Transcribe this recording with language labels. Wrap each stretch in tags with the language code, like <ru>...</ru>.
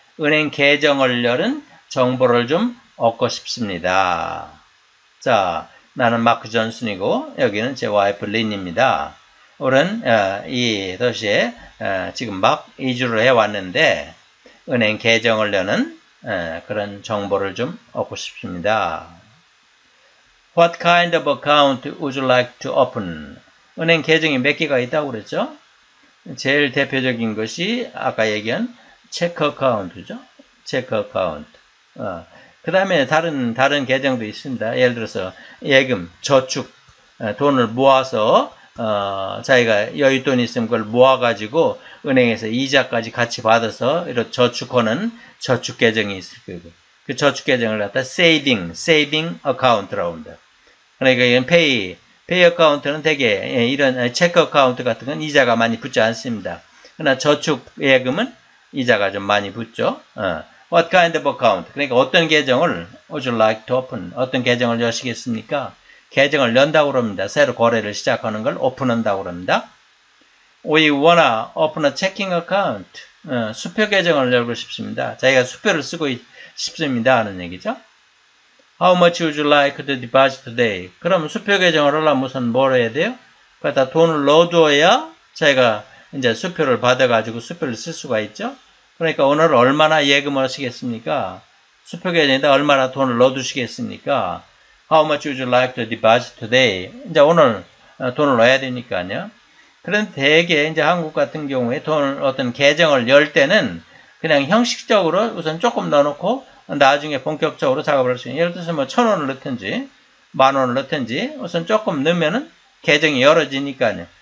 <ko>은행 계정을 열은 정보를 좀 얻고 싶습니다. 자. 나는 마크 존슨이고 여기는 제 와이프 린입니다. 우리는 이 도시에 지금 막 이주를 해왔는데 은행 계정을 여는 그런 정보를 좀 얻고 싶습니다.</ko> <en>What kind of account would you like to open?</en> <ko>은행 계정이 몇 개가 있다고 그랬죠? 제일 대표적인 것이 아까 얘기한 체크 어카운트죠. 체크 어카운트. 그 다음에 다른 계정도 있습니다. 예를 들어서 예금, 저축, 돈을 모아서 자기가 여윳돈 있으면 그걸 모아가지고 은행에서 이자까지 같이 받아서 이렇게 저축하는 저축 계정이 있을 거고 그 저축 계정을 갖다</ko> <en>saving account</en> <ko>라고 합니다. 그러니까 이건 pay 어카운트는 되게 이런 체크 어카운트 같은 건 이자가 많이 붙지 않습니다. 그러나 저축 예금은 이자가 좀 많이 붙죠.</ko> <en>What kind of account?</en> <ko>그러니까 어떤 계정을</ko> <en>would you like to open?</en> <ko>어떤 계정을 여시겠습니까? 계정을 연다고 그럽니다. 새로 거래를 시작하는 걸 오픈한다고 그럽니다.</ko> <en>We wanna open a checking account.</en> <ko>수표 계정을 열고 싶습니다. 자기가 수표를 쓰고 싶습니다. 하는 얘기죠.</ko> <en>How much would you like to deposit today?</en> <ko>그럼 수표 계정을 하려면 우선 뭘 해야 돼요? 거기다 돈을 넣어두어야 자기가 이제 수표를 받아가지고 수표를 쓸 수가 있죠. 그러니까 오늘 얼마나 예금을 하시겠습니까? 수표 계정에다 얼마나 돈을 넣어두시겠습니까?</ko> <en>How much would you like to deposit today?</en> <ko>이제 오늘 돈을 넣어야 되니까요. 그런데 대개 이제 한국 같은 경우에 돈을 어떤 계정을 열 때는 그냥 형식적으로 우선 조금 넣어놓고 나중에 본격적으로 작업을 할수 있는, 예를 들어서 뭐 1,000원을 넣든지 10,000원을 넣든지 우선 조금 넣으면은 계정이 열어지니까요.</ko>